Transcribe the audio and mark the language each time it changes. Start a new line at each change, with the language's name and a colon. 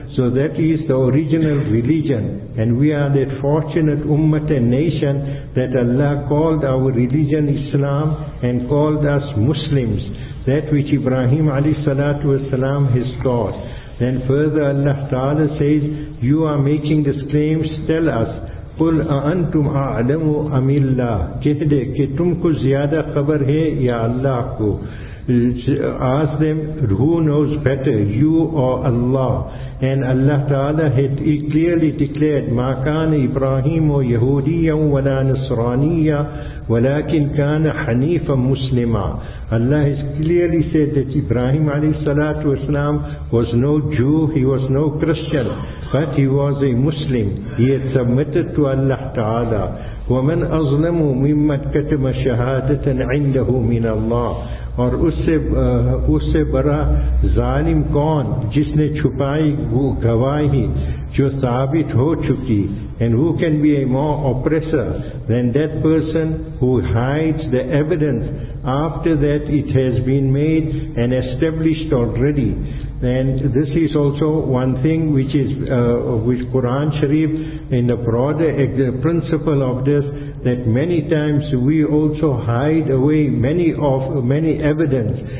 English: So that is the original religion, and we are that fortunate ummah and nation that Allah called our religion Islam and called us Muslims, that which Ibrahim alayhi salatu wasalam has taught. Then further Allah Ta'ala says, you are making this claim, tell us.
Arabic: قُلْ أَأَنْتُمْ أَعْلَمُ أَمِ اللَّهِ,
Urdu: کہہ دے کہ تم کو زیادہ خبر ہے یا اللہ کو.
English: Ask them, who knows better, you or Allah? And Allah Ta'ala had clearly declared,
Arabic: مَا كَانَ إِبْرَاهِيمُ يَهُودِيًّا وَلَا نَصْرَانِيًّا وَلَكِنْ كَانَ حَنِيفًا مُسْلِمًا.
English: Allah has clearly said that Ibrahim alayhi salatu wasalam was no Jew, he was no Christian, but he was a Muslim. He had submitted to Allah Ta'ala.
Arabic: وَمَنْ أَظْلَمُ مِمَّنْ كَتَمَ شَهَادَةً عِنْدَهُ مِنَ اللَّهِ.
Urdu: اور اس سے بڑا ظالم کون جس نے چھپائی وہ گواہی جو ثابت ہو چکی.
English: And who can be a more oppressor than that person who hides the evidence after that it has been made and established already. And this is also one thing which is which Quran Sharif in the broader principle of this, that many times we also hide away many evidence.